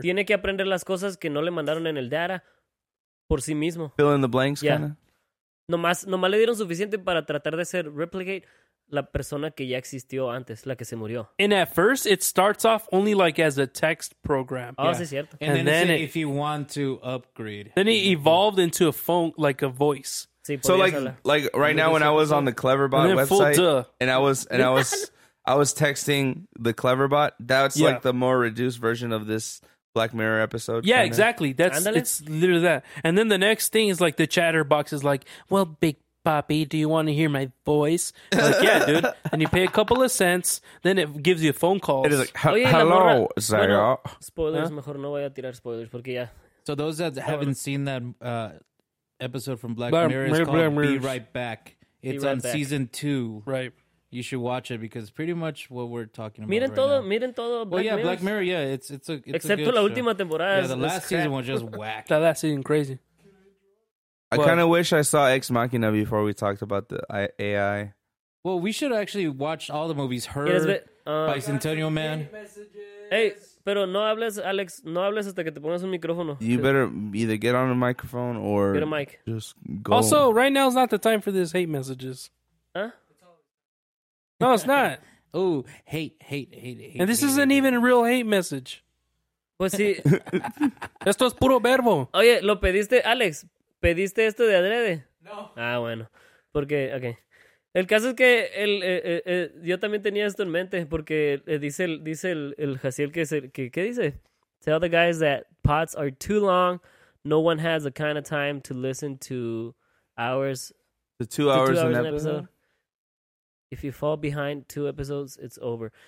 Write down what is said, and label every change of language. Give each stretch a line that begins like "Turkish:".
Spanish: Tiene que aprender las cosas que no le mandaron en el data por sí mismo.
English: Fill in the blanks, yeah. Kind of.
Spanish: Nomás le dieron suficiente para tratar de ser replicate. la persona que ya existió antes, la que se murió.
English: And at first, it starts off only like as a text program. Oh, yeah.
Spanish: Sí, cierto.
English: And then it, if you want to upgrade. Then it evolved into a phone, like a voice.
Spanish: Sí,
English: so like right now when I was on the Cleverbot and website, I was texting the Cleverbot. That's like the more reduced version of this Black Mirror episode. Yeah, kinda. Exactly. That's Andale. It's literally that. And then the next thing is like the chatterbox is like, well, Big Papi, do you want to hear my voice? Like, yeah, dude. And you pay a couple of cents, then it gives you phone calls. It is like, hello, Zaya.
Spanish: Bueno, spoilers, mejor no voy a tirar spoilers, porque ya.
English: So those that haven't seen that episode from Black Mirror is called Be Right Back. It's right on back. Season 2. Right. You should watch it because pretty much what we're talking about.
Spanish: Miren
English: right
Spanish: todo,
English: now.
Spanish: Miren todo.
English: Black Mirror. Black Mirror. Yeah, it's a good show.
Spanish: Excepto la última temporada.
English: Yeah, the last season was just whack. That last season crazy. I kind of wish I saw Ex Machina before we talked about the AI. Well, we should actually watch all the movies. Her, Bicentennial Man.
Spanish: Hey, pero no hables, Alex. No hables hasta que te pongas un micrófono.
English: You better either get on a microphone or get a mic. Just go. Also, right now is not the time for this hate messages. Huh? No, it's not. Ooh, hate. And this isn't even a real hate message.
Spanish: Pues sí. Esto es puro verbo. Oye, lo pediste, Alex. ¿Pediste esto de adrede? No. Ah, bueno. Porque, ok. El caso es que yo también tenía esto en mente porque dice el Jaciel que es el, ¿qué dice?
English: Tell the guys that pots are too long. No one has the kind of time to listen to hours. The two hours an episode. If you fall behind two episodes, it's over.